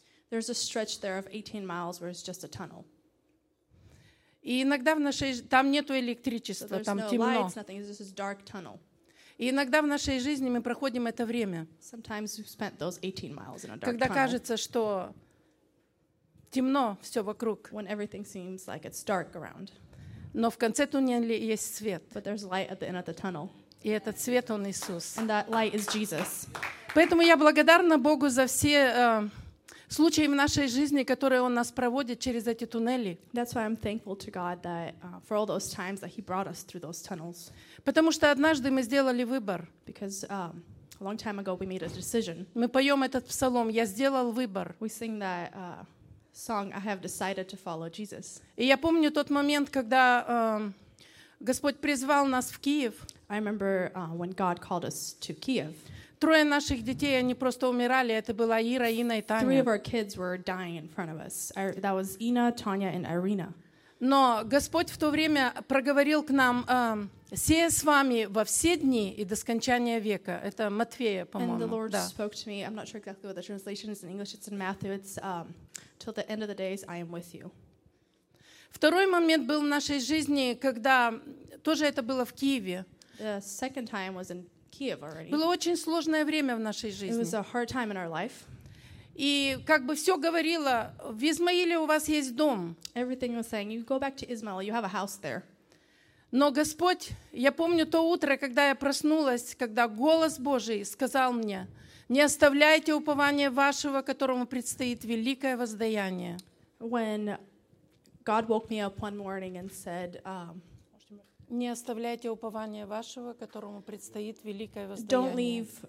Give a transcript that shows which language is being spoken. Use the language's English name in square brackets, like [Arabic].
[English] There's a stretch there of 18 miles where it's just a tunnel. [Russian] И иногда в нашей там нету электричества, [English] so [Russian] там [English] no [Russian] темно. [English] Light, nothing, it's just a dark tunnel. [Russian] И иногда в нашей жизни мы проходим это время. [English] Sometimes we've spent those 18 miles in a dark [Russian] когда [English] tunnel. [Russian] Кажется, что темно все вокруг. [English] When everything seems like it's dark around. [Russian] Но в конце туннеля есть свет. [English] But there's light at the end of the tunnel. [Russian] И этот свет, он Иисус. [English] And that light is Jesus. [Russian] Поэтому я благодарна Богу за все случаи в нашей жизни, которые Он нас проводит через эти туннели. [English] That's why I'm thankful to God that for all those times that He brought us through those tunnels. [Russian] Потому что однажды мы сделали выбор. [English] Because a long time ago we made a decision. [Russian] Мы поем этот псалом. Я сделал выбор. [English] We sing that song, I have decided to follow Jesus. [Russian] И я помню тот момент, когда Господь призвал нас в Киев. [English] I remember when God called us to Kiev. [Russian] Трое наших детей, они просто умирали. Это была Ира, Ина и Таня. [English] Three of our kids were dying in front of us. That was Ina, Tanya, and Irina. [Russian] Но Господь в то время проговорил к нам: «Сея с вами во все дни и до скончания века». Это Матфея, по-моему. [English] And the Lord spoke to me. I'm not sure exactly what the translation is in English. It's in Matthew. It's till the end of the days I am with you. [Russian] Второй момент был в нашей жизни, когда тоже это было в Киеве. [English] The second time was in Kiev already. [Russian] Было очень сложное время в нашей жизни. [English] It was a hard time in our life. [Russian] И как бы все говорило: в Измаиле у вас есть дом. [English] Everything was saying, you go back to Ismail, you have a house there. [Russian] Но Господь, я помню то утро, когда я проснулась, когда голос Божий сказал мне: не оставляйте упование вашего, которому предстоит великое воздаяние. [English] When God woke me up one morning and said, [Russian] не оставляйте упование вашего, которому предстоит великое воздаяние.